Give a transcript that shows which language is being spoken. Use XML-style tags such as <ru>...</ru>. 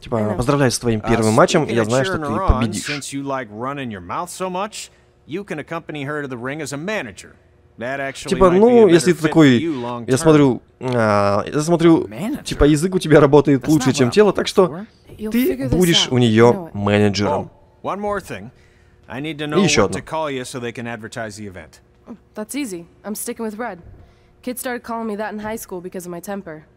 <ru>Типа, поздравляю с твоим первым матчем, я знаю, что ты победишь.</ru> <en>You like running your mouth so much, you can accompany her to the ring as a manager. That actually</en> <ru>типа, ну, если ты такой, я смотрю, manager? Типа, язык у тебя работает</ru> <en>That's</en> <ru>лучше, чем тело, так что ты будешь у нее менеджером.</ru> <en>One more thing. I need to know what to call you so they can advertise the event. That's easy. I'm sticking with Red. Kids started calling me that in high school because of my temper.</en>